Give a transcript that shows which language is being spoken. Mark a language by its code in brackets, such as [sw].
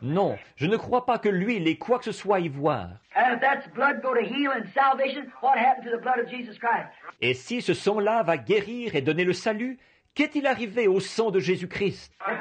[fr] Non, je ne crois pas que l'huile ait quoi que ce soit à y voir. [en] And if that's blood go to heal and salvation, what happened to the blood of Jesus Christ? [fr] Et si ce sang-là va guérir et donner le salut, qu'est-il arrivé au sang de Jésus-Christ?